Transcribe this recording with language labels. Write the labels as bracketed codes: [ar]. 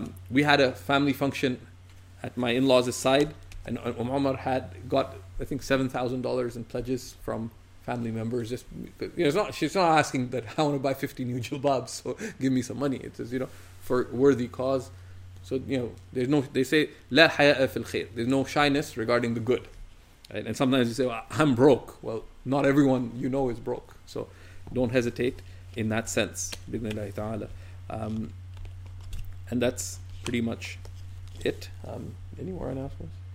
[en] We had a family function at my in-laws' side, and Umar had got, I think, $7,000 in pledges from family members. Just, she's not asking that, I want to buy 50 new jilbabs, so give me some money. It's just, for worthy cause. So, they say, [ar] لَا حَيَاءَ فِي الْخَيْرِ. [en] There's no shyness regarding the good. Right? And sometimes you say, well, I'm broke. Well, not everyone you know is broke. So don't hesitate in that sense. [ar] بِذْنِ اللَّهِ تَعَالَى. [en] And that's pretty much it. Any more announcements?